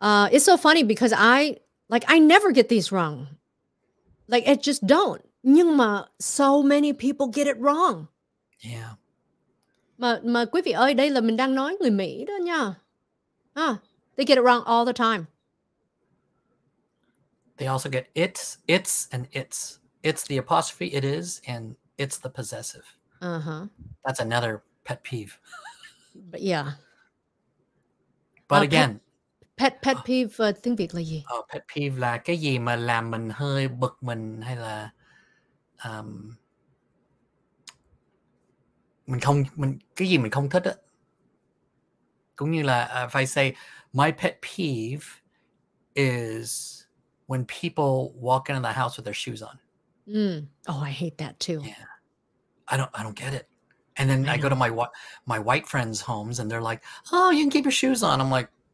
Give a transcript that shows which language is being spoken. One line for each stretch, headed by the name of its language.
English: It's so funny because I never get these wrong. Like, I just don't.
Vietnamese: Nhưng mà
English: so many people get it wrong. Yeah.
Vietnamese: Mà quý vị ơi, đây là mình đang nói người Mỹ đó nha.
English: They get it wrong all the time. They also get it's and it's. It's the apostrophe, it is, and it's the possessive. Uh-huh. That's another pet peeve. But yeah. But again.
Vietnamese: Pet peeve tiếng Việt là gì? Oh, pet peeve là cái gì mà làm mình hơi bực mình hay là mình không thích á. Cũng như là
English: if I say my pet peeve is when people walk into the house with their shoes on. Mm. Oh, I hate that too. Yeah. I don't get it. And then I go to my white friends' homes and they're like, "Oh, you can keep your shoes on." I'm like,